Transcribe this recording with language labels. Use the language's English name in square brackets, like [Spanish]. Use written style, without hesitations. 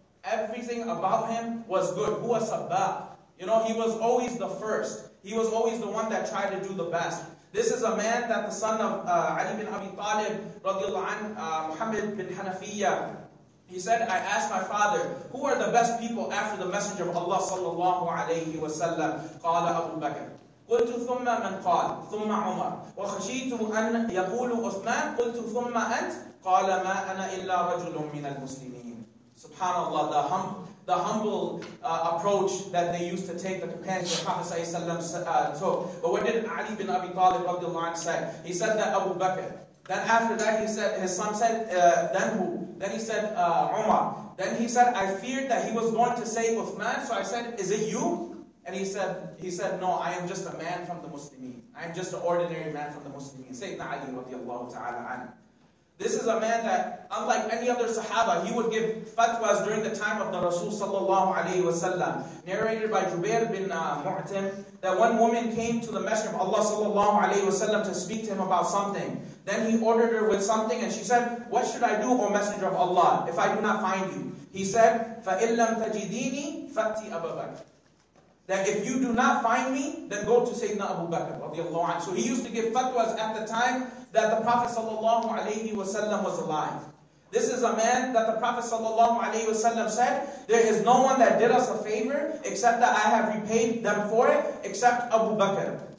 [English] Everything about him was good. Huwa sabbaq. You know, he was always the first. He was always the one that tried to do the best. This is a man that the son of Ali bin Abi Talib, radiallahu anhu, Muhammad bin Hanafiyya, he said, I asked my father, who are the best people after the Messenger of Allah sallallahu alayhi wa sallam? Qala Abu Bakr. [Arabic] قلت ثم من قال ثم عمر وخشيت أن يقول عثمان قلت ثم أنت قال ما أنا إلا رجل من المسلمين. [English] Subhanallah, the humble approach that they used to take, the companions of Prophet sallallahu alaihi wasallam took. But what did Ali bin Abi Talib radiallahu anhu say? He said that Abu Bakr. Then after that, he said his son said then who? Then he said Umar. Then he said, I feared that he was going to say Uthman, so I said, is it you? And he said, no, I am just a man from the Muslimin. I am just an ordinary man from the Muslimin. Sayyidina Ali radiallahu ta'ala anhu. This is a man that, unlike any other Sahaba, he would give fatwas during the time of the Rasul sallallahu alayhi wa sallam. Narrated by Jubair bin Mu'tim, that one woman came to the Messenger of Allah sallallahu alayhi wa sallam to speak to him about something. Then he ordered her with something and she said, what should I do, O Messenger of Allah, if I do not find you? He said, [Arabic] فَإِن لَمْ تَجِدِينِي فَأْتِي أَبَا بَكْرِ. [English] That if you do not find me, then go to Sayyidina Abu Bakr radiallahu anhu. So he used to give fatwas at the time that the Prophet sallallahu alayhi wa sallam was alive. This is a man that the Prophet sallallahu alayhi wa sallam said, there is no one that did us a favor except that I have repaid them for it, except Abu Bakr.